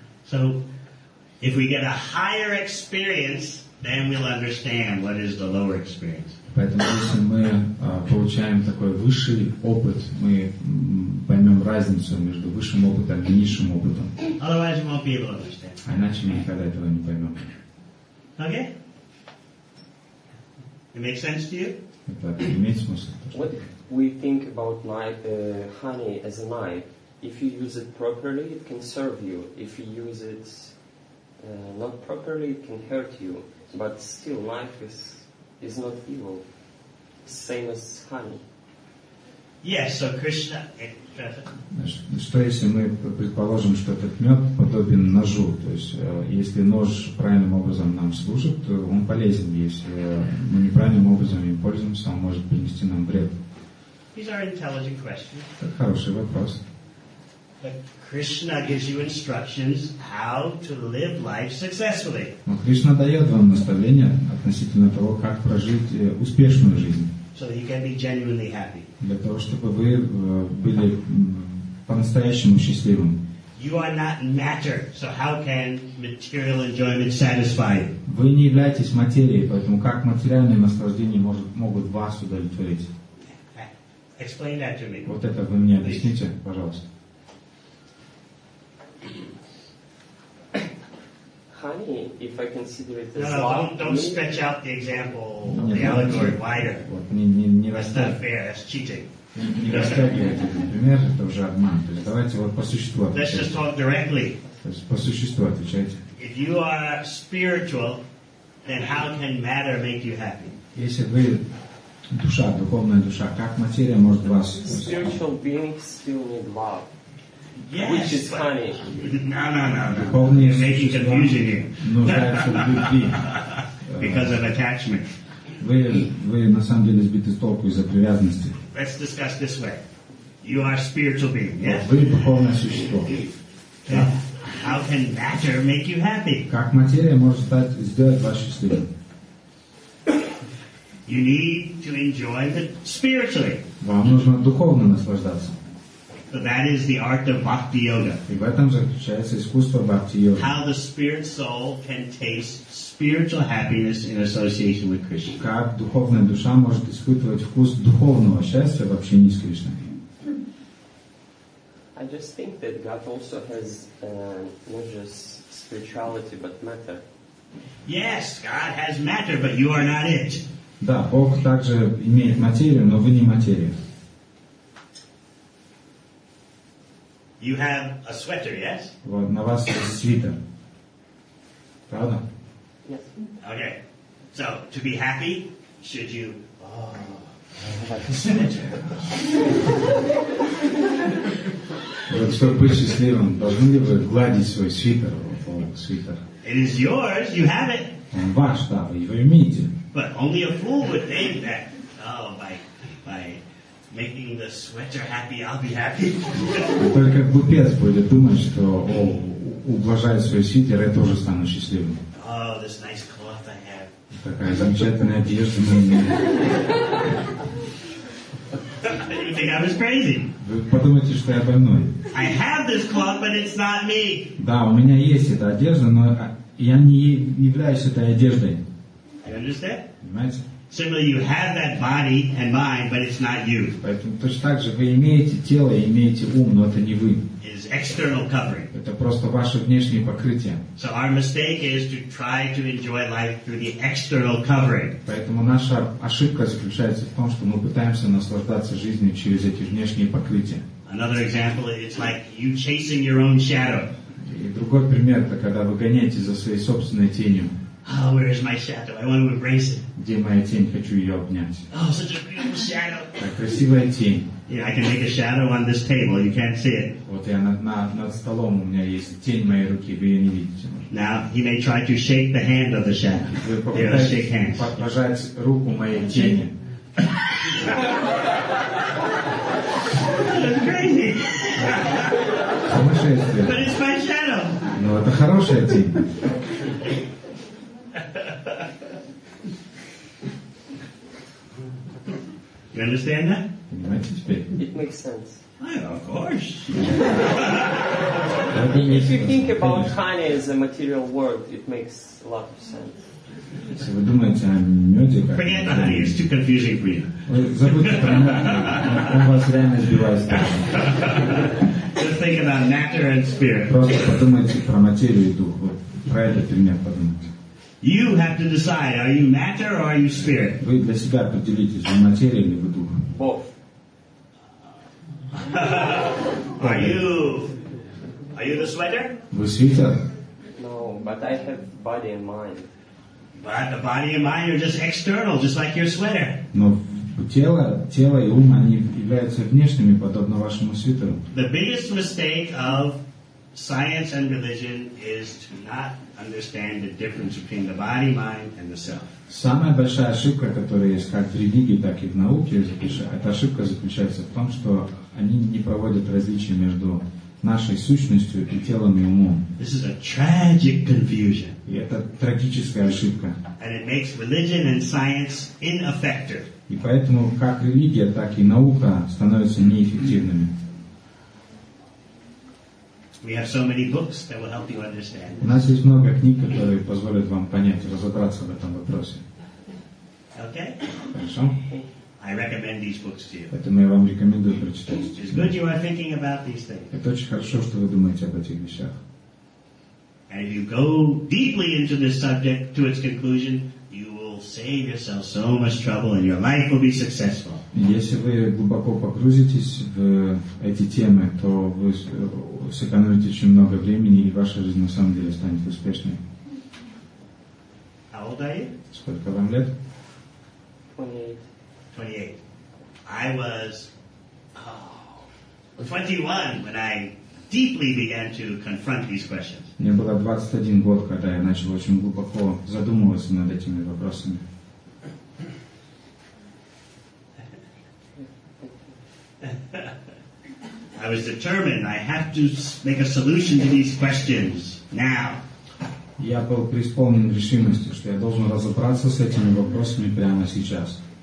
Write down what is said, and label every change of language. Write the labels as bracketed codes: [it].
[en] So, if we get a higher experience, then we'll understand what is the lower experience. [ru] Поэтому если мы получаем такой высший опыт, мы поймем разницу между высшим опытом и низшим опытом. [en] Otherwise, we won't be able to understand. [ru] А иначе мы никогда этого не поймем. [en] Okay? It makes sense to you? [ru] Это имеет смысл. [en] What we think about honey as a knife? If you use it properly, it can serve you. If you use it not properly, it can hurt you. But still, knife is not evil. Same as honey. Yes, so Krishna. [ru] Что если мы предположим, что этот мед подобен ножу? То есть, если нож правильным образом нам служит, то он полезен. Если мы неправильным образом им пользуемся, он может принести нам вред. [en] These are intelligent questions. [ru] Это хороший вопрос. [en] But Krishna gives you instructions how to live life successfully. [ru] Но Кришна дает вам наставления относительно того, как прожить успешную жизнь. [en] So that you can be genuinely happy. [ru] Для того, чтобы вы были по-настоящему счастливым. [en] You are not matter, so how can material enjoyment satisfy? [ru] Вы не являетесь материей, поэтому как материальные наслаждения могут вас удовлетворить? [en] Explain that to me. [ru] Вот это вы мне объясните, пожалуйста. [en] Honey, if I consider it as love. Don't stretch out the example, the allegory wider. That's not fair, that's cheating. [ru] Не растягивайте этот пример, это уже обман. То есть давайте вот по существу отвечать. [en] Let's just talk directly. [ru] То есть по существу отвечайте. [en] If you are spiritual, then how can matter make you happy? [ru] Если вы душа, духовная душа, как материя может вас... [en] Spiritual beings still need love. Yes, which is funny. No. You're making confusion here. Because of attachment. [ru] Вы на самом деле сбиты с толку из-за привязанности. [en] Let's discuss this way. You are a spiritual being. Yes. [ru] Вы духовное существо. [en] How can matter make you happy? [ru] Как материя может сделать вас счастливым? [en] You need to enjoy it spiritually. [ru] Вам нужно духовно наслаждаться. [en] So that is the art of bhakti yoga. [ru] И в этом заключается искусство бхакти йоги. [en] How the spirit soul can taste spiritual happiness in association with Krishna. [ru] Как духовная душа может испытывать вкус духовного счастья в общении с Кришной? [en] I just think that God also has not just spirituality but matter. Yes, God has matter, but you are not it. [ru] Да, Бог также имеет материю, но вы не материя. [en] You have a sweater, yes? [ru] Вот, на вас свитер. Правда? [en] Yes. Okay. So, to be happy, should you [ru] Счастливым, должны ли вы гладить свой свитер, свитер? [en] It is yours, you have it. [ru] Он ваш, да, вы его имеете. [en] But only a fool would think that, oh, by making the sweater happy, I'll be happy. [ru] Только глупец будет думать, что ублажая свой свитер, я тоже стану счастливым. [en] Oh, this nice cloth I have. [ru] Такая замечательная одежда на мне. [en] You think I was crazy? [ru] Вы подумайте, что я больной. [en] I have this cloth, but it's not me. [ru] Да, у меня есть эта одежда, но я не являюсь этой одеждой. [en] You understand? [ru] Понимаете? [en] Similarly, you have that body and mind, but it's not you. [ru] Поэтому точно так же вы имеете тело и имеете ум, но это не вы. [en] It is external covering. [ru] Это просто ваше внешнее покрытие. [en] So our mistake is to try to enjoy life through the external covering. [ru] Поэтому наша ошибка заключается в том, что мы пытаемся наслаждаться жизнью через эти внешние покрытия. [en] Another example, it's like you chasing your own shadow. [ru] И другой пример, это когда вы гоняетесь за своей собственной тенью. [en] Oh, where is my shadow? I want to embrace it. [ru] Где моя тень? Хочу ее обнять. [en] Oh, such a beautiful shadow. [ru] Так, красивая тень. [en] Yeah, I can make a shadow on this table. You can't see it. [ru] Вот я над столом, у меня есть тень моей руки, вы ее не видите. [en] Now, he may try to shake the hand of the shadow. [ru] Вы попытаетесь [en] shake hands. [ru] Пожать руку моей тени. [en] That's crazy. [ru] Сумасшествие. [en] But it's my shadow. [ru] Но это хорошая тень. [en] You understand that? [ru] Понимаете теперь? [en] It makes sense. Oh, of course. If you think about honey as a material world, it makes a lot of sense. [ru] Если вы думаете о меде, как... [en] Forget the honey, it's too confusing for you. [ru] Забудьте про меду, он вас реально сбивает. [en] Just think about matter and spirit. [ru] Просто подумайте про материю и дух. Вот про это пример подумайте. [en] You have to decide, are you matter or are you spirit? [ru] Вы для себя определитесь, вы материя или вы дух? [en] Both. Are you the sweater? [ru] Вы свитер? [en] No, but I have body and mind. But the body and mind are just external, just like your sweater. [ru] Но тело и ум, они являются внешними, подобно вашему свитеру. [en] The biggest mistake of science and religion is to not understand the difference between the body, mind, and the self. [ru] Самая большая ошибка, которая есть как в религии, так и в науке, эта ошибка заключается в том, что они не проводят различия между нашей сущностью и телом и умом. [en] This is a tragic confusion. [ru] И это трагическая ошибка. [en] And it makes religion and science ineffective. [ru] И поэтому как религия, так и наука становятся неэффективными. [en] We have so many books that will help you understand. [ru] У нас есть много книг, которые позволят вам понять, разобраться в этом вопросе. [en] Okay. [ru] Хорошо. [en] I recommend these books to you. [ru] Поэтому я вам рекомендую прочитать. [en] It's good you are thinking about these things. [ru] Это очень хорошо, что вы думаете об этих вещах. [en] And if you go deeply into this subject to its conclusion, you will save yourself so much trouble, and your life will be successful. [ru] Если вы глубоко погрузитесь в эти темы, то вы сэкономите очень много времени, и ваша жизнь на самом деле станет успешной. [en] How old are you? [ru] Сколько вам лет? [en] 28. 28. I was 21 when I deeply began to confront these questions. [ru] Мне было 21 год, когда я начал очень глубоко задумываться над этими вопросами. [en] I was determined. I have to make a solution to these questions now. [ru] Я был преисполнен решимости, что я должен разобраться с этими вопросами прямо сейчас.